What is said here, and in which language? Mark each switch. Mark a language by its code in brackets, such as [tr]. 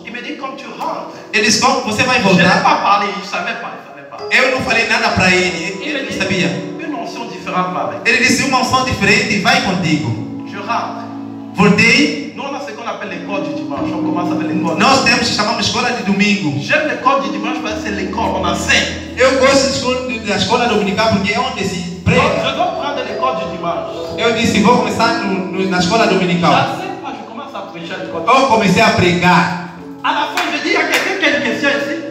[pt] Ele disse, como você vai voltar? Eu não falei nada para ele. Ele não sabia. Ele disse, uma unção diferente vai contigo. Voltei. Nós temos que chamar escola de domingo. [fr] J'aime l'école du dimanche parce que c'est l'école on enseigne. [pt] Eu gosto da escola dominical porque é onde se prega. [fr] Je dois prendre l'école du dimanche. [pt] Eu disse, vou começar na escola dominical. Já sei, mas eu começo a [fr] prêcher l'école. [pt] Eu comecei a pregar. [fr] À la fin, je dis, y a quelqu'un qui a une question ici?